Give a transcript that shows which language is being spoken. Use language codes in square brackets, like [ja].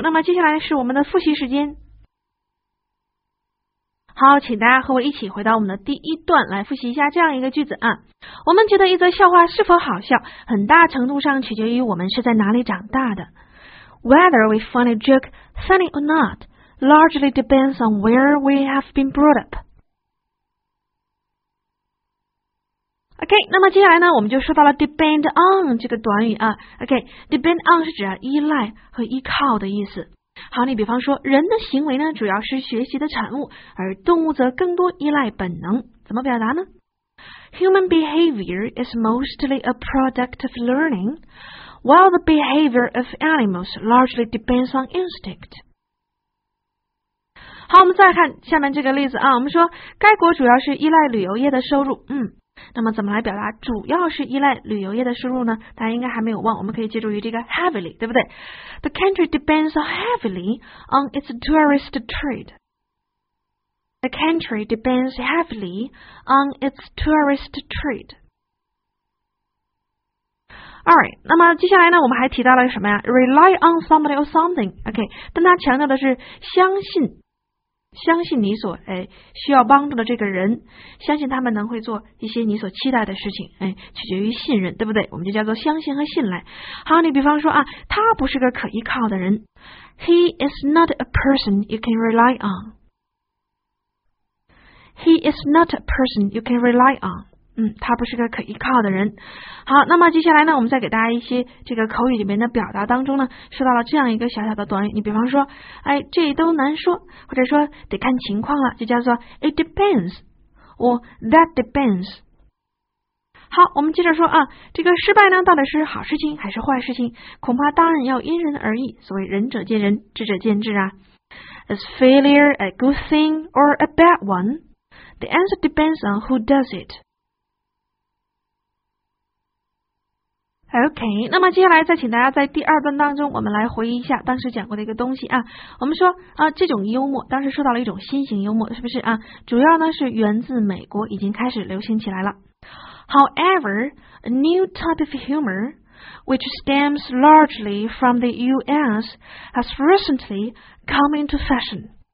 [zh] 那么接下来是我们的复习时间。好，请大家和我一起回到我们的第一段来复习一下这样一个句子啊。我们觉得一则笑话是否好笑，很大程度上取决于我们是在哪里长大的。 [en] Whether we find a joke funny or not, largely depends on where we have been brought up. [zh] OK, 那么接下来呢，我们就说到了 depend on 这个短语啊。 OK, depend on 是指依赖和依靠的意思。好，你比方说人的行为呢主要是学习的产物，而动物则更多依赖本能，怎么表达呢？ [en] Human behavior is mostly a product of learning, while the behavior of animals largely depends on instinct. [zh] 好，我们再看下面这个例子啊。我们说该国主要是依赖旅游业的收入，那么怎么来表达主要是依赖旅游业的收入呢？大家应该还没有忘，我们可以借助于这个 heavily, 对不对？ [en] The country depends heavily on its tourist trade. The country depends heavily on its tourist trade. [zh] Alright, 那么接下来呢，我们还提到了什么呀？ [en] Rely on somebody or something. [zh] OK, 但它强调的是相信你所需要帮助的这个人，相信他们能会做一些你所期待的事情，取决于信任，对不对？我们就叫做相信和信赖。好，你比方说啊，他不是个可依靠的人。 [en] He is not a person you can rely on. He is not a person you can rely on. [zh] 他不是个可依靠的人。好，那么接下来呢，我们再给大家一些这个口语里面的表达当中呢，说到了这样一个小小的短语。你比方说，这都难说，或者说得看情况了，就叫做 it depends 或 that depends。好，我们接着说啊，这个失败呢，到底是好事情还是坏事情？恐怕当然要因人而异。所谓仁者见仁，智者见智啊。 [en] Is failure a good thing or a bad one? The answer depends on who does it. [zh] OK, 那么接下来再请大家在第二段当中我们来回忆一下当时讲过的一个东西啊。我们说啊，这种幽默当时说到了一种新型幽默，是不是啊？主要呢是源自美国，已经开始流行起来了。 [en] However, a new type of humor, which stems largely from the US, has recently come into fashion.